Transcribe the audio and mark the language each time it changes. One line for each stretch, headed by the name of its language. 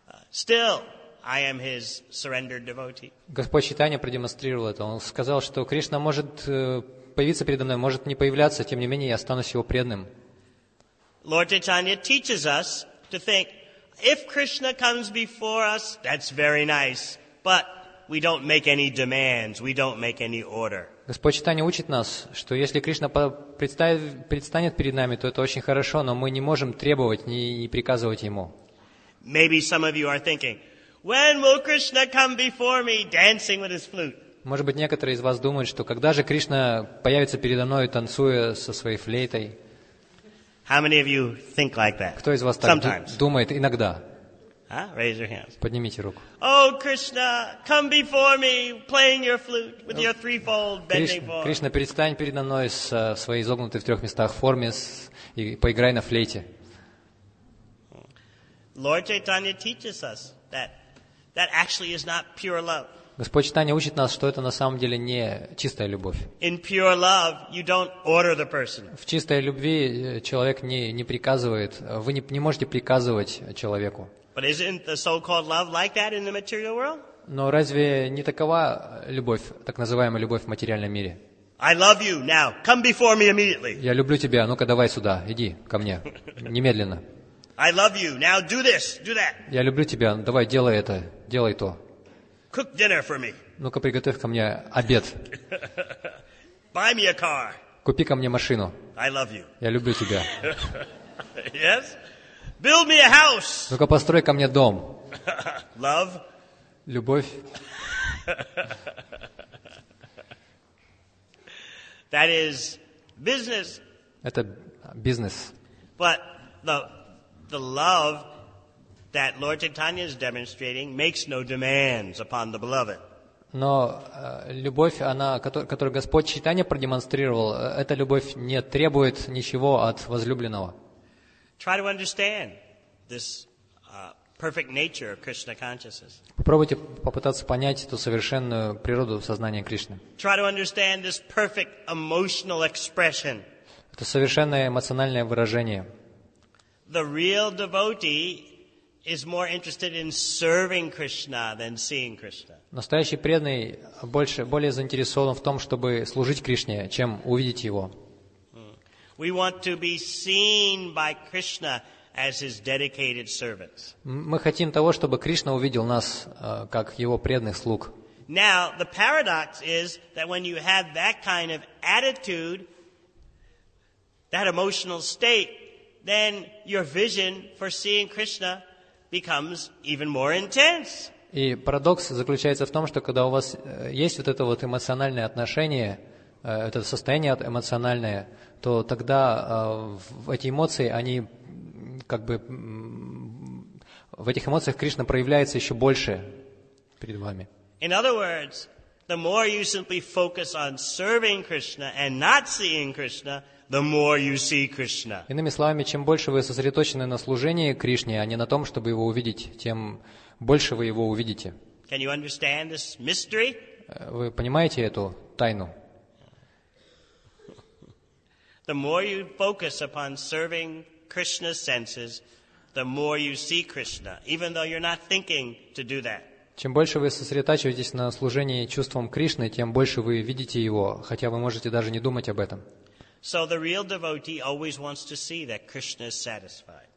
English: Still, I am his surrendered devotee.
Russian: Господь Чайтанья продемонстрировал это. Он сказал, что Кришна может появиться передо мной, может не появляться, тем не менее я останусь его преданным.
English: Lord Chaitanya teaches us to think, if Krishna comes before us, that's very nice, but we don't make any demands, we don't make any order.
Russian: Господь Чайтанья учит нас, что если Кришна предстанет перед нами, то это очень хорошо, но мы не можем требовать, не приказывать ему.
English: Maybe some of you are thinking, when will Krishna come before me, dancing with his flute?
Russian: Может быть, некоторые из вас думают, что когда же Кришна появится передо мной, танцуя со своей флейтой?
English: How many of you think like that?
Russian: Кто из вас так думает иногда?
English: Raise your hands.
Russian: Поднимите руку.
English: Oh, Krishna, come before me, playing your flute with your threefold bending form.
Russian: Кришна, перестань передо мной с своей изогнутой в трех местах форме и поиграй на флейте.
English: Lord Chaitanya teaches us that actually is not pure love.
Russian: Господь Читания учит нас, что это на самом деле не чистая любовь.
English: In pure love, you don't order the person.
Russian: В чистой любви человек не приказывает, вы не можете приказывать человеку.
English: But isn't the so-called love like that in the material world?
Russian: Но разве не такова любовь, так называемая любовь в материальном мире?
English: I love you. Now, come before me immediately.
Russian: Я люблю тебя. Ну-ка, давай сюда. Иди ко мне. Немедленно.
English: I love you. Now, do this. Do that.
Russian: Я люблю тебя. Давай, делай это. Делай то.
English: Cook dinner for me.
Russian: Ну-ка, приготовь ко мне обед.
English: Buy me a car.
Russian: Купи ко мне машину.
English: I love you.
Russian: Я люблю тебя.
English: Yes? Build me a house.
Russian: Ну-ка, построй ко мне дом.
English: Love?
Russian: Любовь.
English: That is business.
Russian: Это бизнес.
English: But the love that Lord Chaitanya is demonstrating makes no demands upon the beloved.
Russian: Но любовь, она, которую Господь Чайтанья продемонстрировал, эта любовь не требует ничего от возлюбленного.
English: Try to understand this perfect nature of Krishna consciousness.
Russian: Попробуйте попытаться понять эту совершенную природу сознания Кришны.
English: Try to understand this perfect emotional expression.
Russian: Это совершенное эмоциональное выражение.
English: The real devotee is more interested in serving Krishna than seeing Krishna.
Russian: Настоящий преданный более заинтересован в том, чтобы служить Кришне, чем увидеть его.
English: We want to be seen by Krishna as his dedicated servants.
Russian: Мы хотим того, чтобы Кришна увидел нас как его преданных слуг.
English: Now, the paradox is that when you have that kind of attitude, that emotional state, then your vision for seeing Krishna becomes even more intense.
Russian: И парадокс заключается в том, что когда у вас есть вот это вот эмоциональное отношение, это состояние эмоциональное, то тогда эти эмоции, они как бы в этих эмоциях Кришна проявляется еще больше перед вами.
English: In other words, the more you simply focus on serving Krishna and not seeing Krishna, the more you see Krishna.
Russian: Иными словами, чем больше вы сосредоточены на служении Кришне, а не на том, чтобы его увидеть, тем больше вы его увидите.
English: Can you understand this mystery?
Russian: Вы понимаете эту тайну?
English: The more you focus upon serving Krishna's senses, the more you see Krishna, even though you're not thinking to do that.
Russian: Чем больше вы сосредотачиваетесь на служении чувствам Кришны, тем больше вы видите его, хотя вы можете даже не думать об этом.
English: So the real devotee always wants to see that Krishna is satisfied.